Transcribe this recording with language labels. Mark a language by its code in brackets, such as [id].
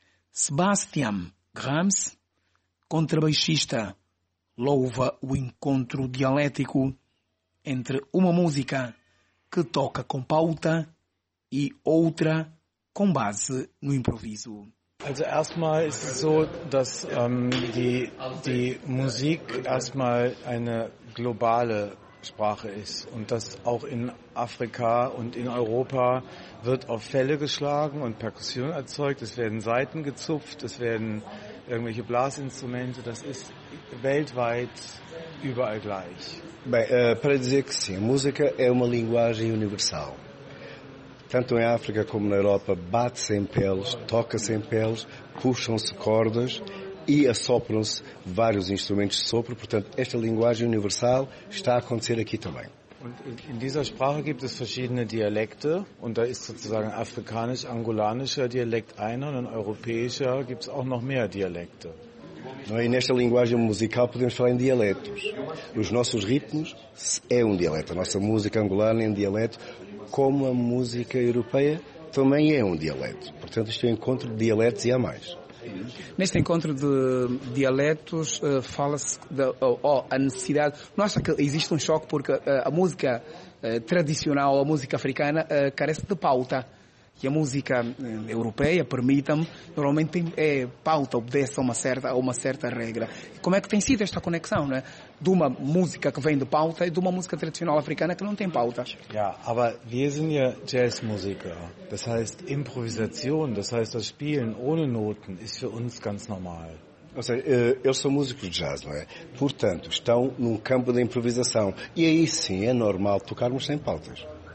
[pt] Sebastian Grams, contrabaixista, louva o encontro dialético entre uma música que toca com pauta e outra com base no improviso. [de] Also erstmal ist es so, dass die Musik erstmal eine globale Sprache ist und dass auch in Afrika und in Europa wird auf Felle geschlagen und Perkussion erzeugt, es werden Saiten gezupft, es werden irgendwelche Blasinstrumente, das ist weltweit überall gleich. [pt] Bem, para dizer que sim, a música é uma linguagem universal. Tanto em África como na Europa, bate-se em peles, toca-se em peles, puxam-se cordas e assopram-se vários instrumentos de sopro. Portanto, esta linguagem universal está a acontecer aqui também. [de] In dieser Sprache gibt es verschiedene Dialekte und da ist sozusagen afrikanisch-angolanischer Dialekt einer und ein europäischer gibt es auch noch mehr Dialekte. [pt] E nesta linguagem musical podemos falar em dialetos. Os nossos ritmos é um dialeto, a nossa música angolana é um dialeto, como a música europeia também é um dialeto. Portanto, isto é um encontro de dialetos e há mais. Neste encontro de dialetos, fala-se da a necessidade. Não acha que existe um choque porque a música tradicional, a música africana, carece de pauta? E a música europeia, permita-me, normalmente é pauta, obedece a uma certa regra. Como é que tem sido esta conexão, né? De uma música que vem de pauta e de uma música tradicional africana que não tem pauta? [de] Ja, aber wir sind ja Jazzmusiker. Das heißt, Improvisation, das heißt, das Spielen ohne Noten ist für uns ganz normal. [pt] Ou seja, eles são músicos de jazz, não é? Portanto, estão num campo de improvisação. E aí sim é normal tocarmos sem pautas.